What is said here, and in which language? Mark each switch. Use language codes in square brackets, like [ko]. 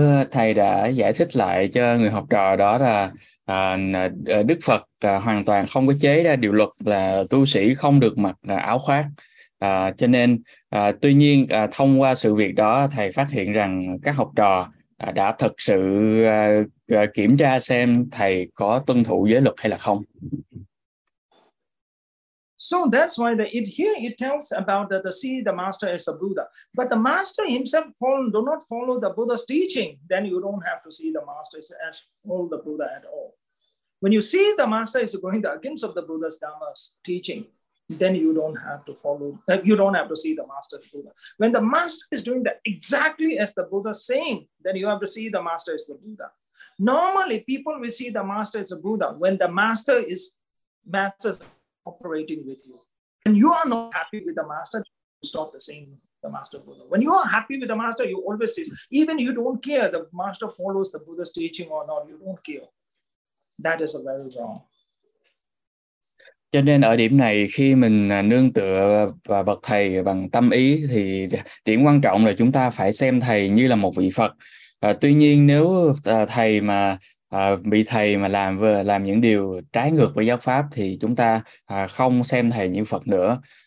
[vi] Thầy đã giải thích lại cho người học trò đó là Đức Phật hoàn toàn không có chế ra điều luật là tu sĩ không được mặc áo khoác. Cho nên, tuy nhiên, thông qua sự việc đó, thầy phát hiện rằng các học trò đã thực sự kiểm tra xem thầy có tuân thủ giới luật hay là không. [en] So that's why here it tells about that see the master as a Buddha, but the master himself do not follow the Buddha's teaching, then you don't have to see the master as all the Buddha at all. When you see the master is going against of the Buddha's Dhamma's teaching, then you don't have to follow. You don't have to see the master Buddha. When the master is doing that exactly as the Buddha is saying, then you have to see the master as the Buddha. Normally, people will see the master as a Buddha when the master is operating with you. When you are not happy with the master, you stop the same the master Buddha. When you are happy with the master, you always see. Even you don't care the master follows the Buddha's teaching or not. You don't care. That is a very wrong. [vi] Cho nên ở điểm này khi mình nương tựa và bậc thầy bằng tâm ý thì điểm quan trọng là chúng ta phải xem thầy như là một vị Phật. Tuy nhiên nếu thầy mà bị thầy mà làm những điều trái ngược với giáo pháp thì chúng ta không xem thầy như Phật nữa.